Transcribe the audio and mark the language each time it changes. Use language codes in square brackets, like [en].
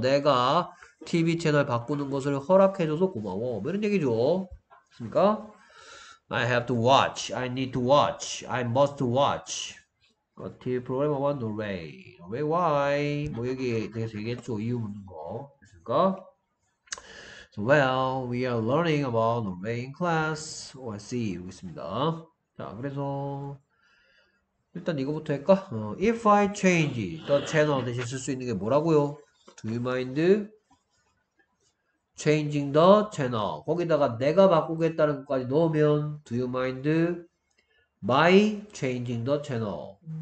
[ko] 내가 TV 채널 바꾸는 것을 허락해줘서 고마워. 뭐 이런 얘기죠. 됐습니까? [en] I have to watch. I need to watch. I must watch. A TV program on the way. Way, why? [ko] 뭐 여기에 대해서 얘기했죠. 이유 묻는 거. 그러니까. [en] So, well, we are learning about the way in class. Oh, I see. [ko] 여기 있습니다. 자, 그래서 일단 이거부터 할까? [en] If I change the channel [ko] 대신 쓸수 있는 게 뭐라고요? [en] Do you mind changing the channel? [ko] 거기다가 내가 바꾸겠다는 것까지 넣으면 [en] Do you mind my changing the channel?